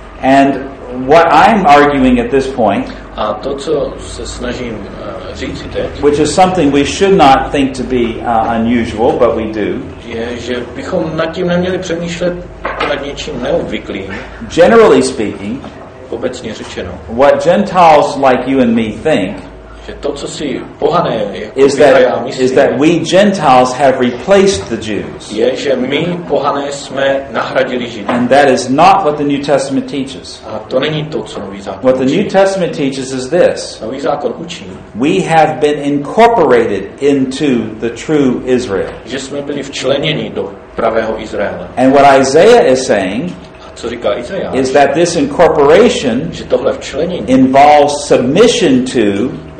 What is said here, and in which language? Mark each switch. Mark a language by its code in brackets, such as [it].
[en] And what I'm arguing at this point, [cs] a to, co se snažím říct teď, [en] which is something we should not think to be unusual, but we do, [cs] je, že bychom nad tím neměli přemýšlet nad něčím neobvyklým. [en] Generally speaking, [cs] obecně řečeno, [en] what Gentiles like you and me think, [cs] že to, co si pohané, jako [en] is, that, [cs] já myslím, [en] is that we Gentiles have replaced the Jews. [cs] Je, že my pohané jsme nahradili Židy. [en] And that is not what the New Testament teaches. [cs] A to není to, co Nový zákon [en] what [cs] učí. [en] The New Testament teaches is this. [cs] Nový zákon učí. [en] We have been incorporated into the true Israel. [cs] Že jsme byli včleněni do pravého Izraela. [en] And what Isaiah is saying, [cs] co říká Izajáš, [en] is that this incorporation, [cs] že tohle včlenění, [en] involves submission to,